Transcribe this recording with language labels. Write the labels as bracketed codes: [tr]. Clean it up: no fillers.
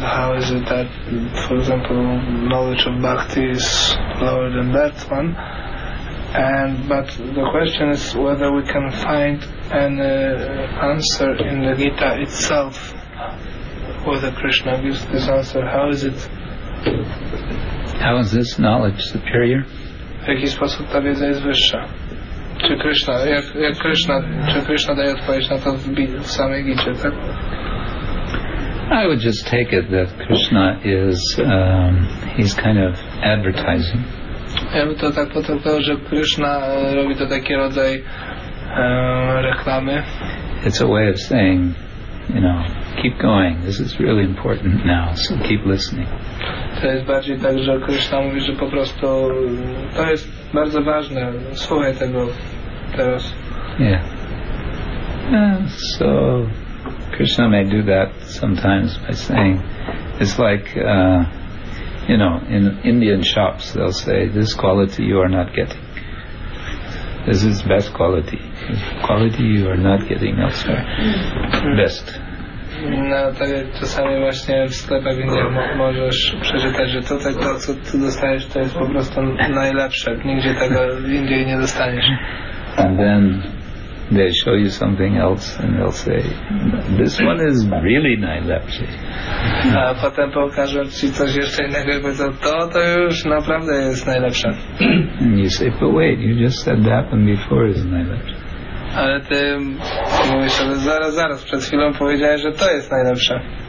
[en] How is it that, for example, knowledge of bhakti is lower than that one? And but the question is whether we can find an answer in the Gita itself, whether Krishna gives this answer. How is it? How is this knowledge superior? [pl] W jaki sposób ta wiedza jest wyższa? Czy Krishna, jak Krishna, czy Krishna daje odpowiedź na to w samej Gicie, tak? [en] I would just take it that Krishna is he's kind of advertising. [pl] Ja bym to tak potraktował, że Krishna robi to taki rodzaj reklamy. [en] It's a way of saying, you know, keep going. This is really important now, so keep listening. [pl] To jest bardziej tak, że Krishna mówi, że po prostu to jest bardzo ważne. Słuchaj tego teraz. [en] Yeah. So Krishna may do that sometimes by saying, it's like, you know, in Indian shops they'll say, this quality you are not getting. This is best quality. This quality you are not getting elsewhere. Best. [pl] No, tak jak czasami właśnie w sklepach Indian możesz przeczytać, że tutaj to, co ty dostajesz, to jest po prostu najlepsze. Nigdzie tego indziej nie dostaniesz. [en] And then they show you something else and they'll say, this one is really [pl] najlepszy. A potem pokażę ci coś jeszcze innego i powiedzą, to już naprawdę jest najlepsze. [en] And you say, but wait, you just said that one before is [pl] najlepsze. Ale ty mówisz, ale zaraz, przed chwilą powiedziałeś, że to jest najlepsze.